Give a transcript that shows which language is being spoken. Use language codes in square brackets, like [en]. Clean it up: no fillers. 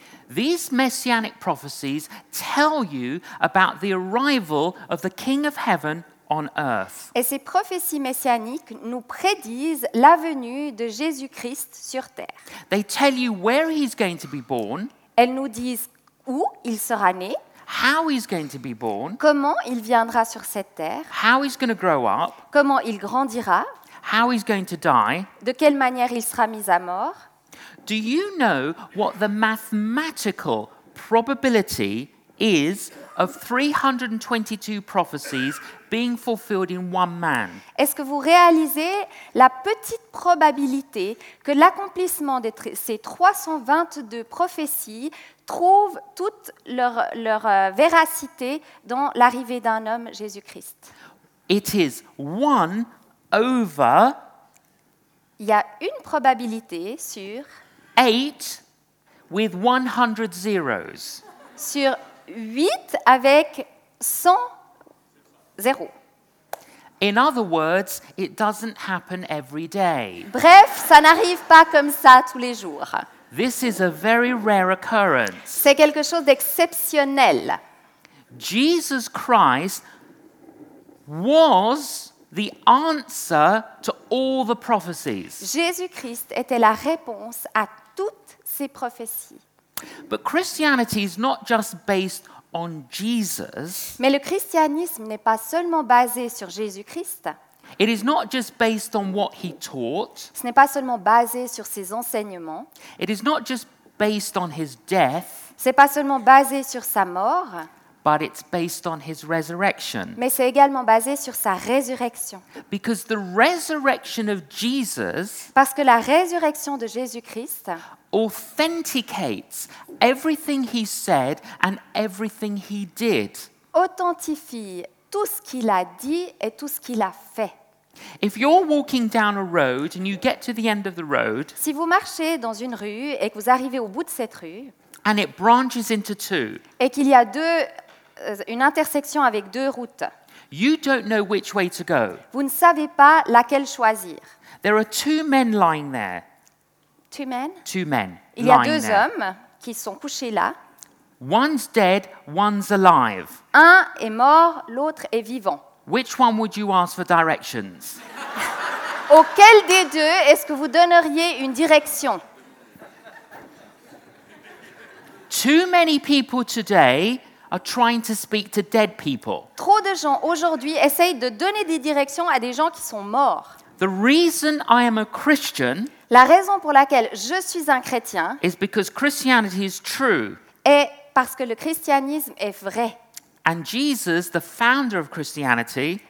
[en] These messianic prophecies tell you about the arrival of the King of Heaven on earth. [fr] Et ces prophéties messianiques nous prédisent la venue de Jésus-Christ sur terre. [en] They tell you where he's going to be born. [fr] Elles nous disent où il sera né. [en] How he's going to be born. [fr] Comment il viendra sur cette terre. [en] How he's going to grow up. [fr] Comment il grandira. [en] How he's going to die. [fr] De quelle manière il sera mis à mort. [en] Do you know what the mathematical probability is of 322 prophecies being fulfilled in one man? [fr] Est-ce que vous réalisez la petite probabilité que l'accomplissement de ces 322 prophéties trouve toute leur véracité dans l'arrivée d'un homme, Jésus-Christ? [en] It is one over. [fr] Il y a une probabilité sur [en] 8 with 100 zeros. [fr] Sur 8 avec 100 zéros. [en] In other words, it doesn't happen every day. [fr] Bref, ça n'arrive pas comme ça tous les jours. [en] This is a very rare occurrence. [fr] C'est quelque chose d'exceptionnel. [en] Jesus Christ was the answer to all the prophecies. [fr] Jésus-Christ était la réponse à toutes ces prophéties. [en] But Christianity is not just based on Jesus. [fr] Mais le christianisme n'est pas seulement basé sur Jésus-Christ. [en] It is not just based on what he taught. [fr] Ce n'est pas seulement basé sur ses enseignements. [en] It is not just based on his death. [fr] C'est pas seulement basé sur sa mort. [en] But it's based on his resurrection. [fr] Mais c'est également basé sur sa résurrection. [en] Because the resurrection of Jesus, [fr] parce que la résurrection de Jésus-Christ, [en] authenticates everything he said and everything he did. [fr] Authentifie tout ce qu'il a dit et tout ce qu'il a fait. [en] If you're walking down a road and you get to the end of the road, [fr] si vous marchez dans une rue et que vous arrivez au bout de cette rue, [en] and it branches into two, [fr] et qu'il y a deux une intersection avec deux routes. [en] You don't know which way to go. [fr] Vous ne savez pas laquelle choisir. [en] There are two men lying there. Two men? Two men. [fr] Il y a deux hommes qui sont couchés là. [en] One's dead, one's alive. [fr] Un est mort, l'autre est vivant. [en] Which one would you ask for directions? [fr] Auquel des deux est-ce que vous donneriez une direction? [en] Too many people today are trying to speak to dead people. [fr] Trop de gens aujourd'hui essayent de donner des directions à des gens qui sont morts. [en] The reason I am a Christian, [fr] la raison pour laquelle je suis un chrétien, [en] is because Christianity is true. [fr] Est parce que le christianisme est vrai. [en] And Jesus, the founder of Christianity,